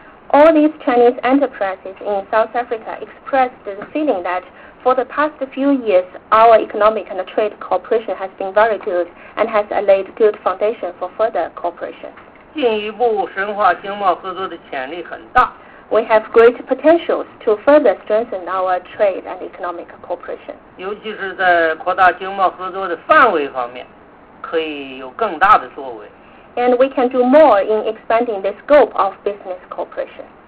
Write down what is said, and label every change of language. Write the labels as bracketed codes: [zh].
[en] All these Chinese enterprises in South Africa expressed the feeling that for the past few years, our economic and trade cooperation has been very good and has laid good foundation for further cooperation. [zh] 进一步深化经贸合作的潜力很大。 [en] We have great potentials to further strengthen our trade and economic cooperation. [zh] 尤其是在扩大经贸合作的范围方面，可以有更大的作为。 [en] And we can do more in expanding the scope of business cooperation.